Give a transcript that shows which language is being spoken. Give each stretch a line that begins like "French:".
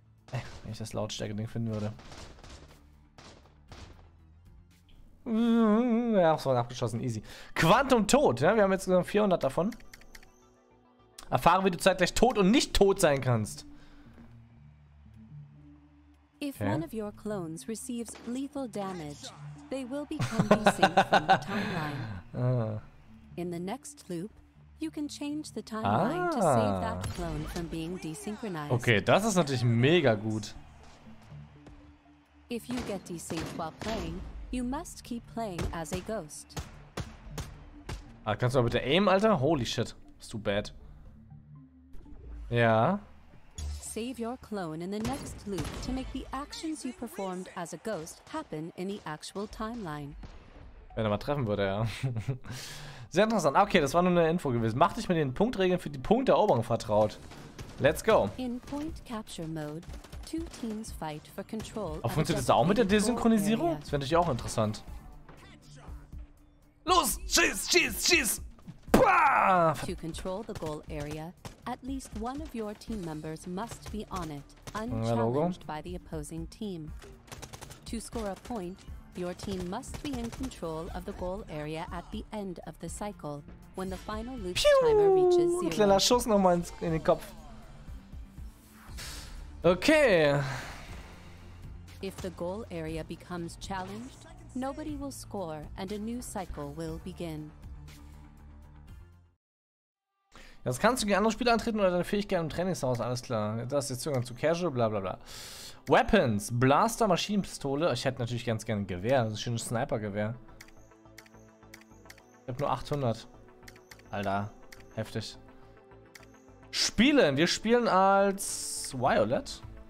German: Wenn ich das Lautstärke-Ding finden würde. Ja, es war abgeschossen, easy. Quantum Tod, ja, wir haben jetzt 400 davon. Erfahre, wie du zeitgleich tot und nicht tot sein kannst.
English: If one of your clones receives lethal damage, they will become desynced from the timeline. In the next loop, you can change the timeline to save that clone from being desynchronized.
German: Okay, das ist natürlich mega gut.
English: If you get desynced while playing, you must keep playing as a ghost.
German: Ah, kannst du mal bitte aim, Alter?
English: Holy shit.
German: Bist du bad. Ja.
English: save your clone in the next loop to make the actions you performed as a ghost happen in the actual timeline.
German: Wenn er mal treffen würde, ja. Sehr interessant. Okay, das war nur eine Info gewesen. Mach dich mit den Punktregeln für die Punkteroberung vertraut.
English: Let's go. In point capture mode, two teams fight for control.
German: Aber funktioniert das auch mit der Desynchronisierung? Das fände ich auch interessant. Los! Schieß, schieß, schieß! Bah!
English: To control the goal area, at least one of your team members must be on it, unchallenged by the opposing team. To score a point, your team must be in control of the goal area at the end of the cycle, when the final loop timer reaches zero.
German: Kleiner Schuss nochmal in den Kopf. Okay.
English: If the goal area becomes challenged, nobody will score and a new cycle will begin.
German: Jetzt kannst du gegen andere Spieler antreten oder deine Fähigkeiten im Trainingshaus, alles klar. Das ist jetzt Zugang zu Casual, bla bla bla. Weapons, Blaster, Maschinenpistole. Ich hätte natürlich ganz gerne ein Gewehr, ein schönes Sniper-Gewehr. Ich habe nur 800. Alter, heftig. Spielen, wir spielen als Violet.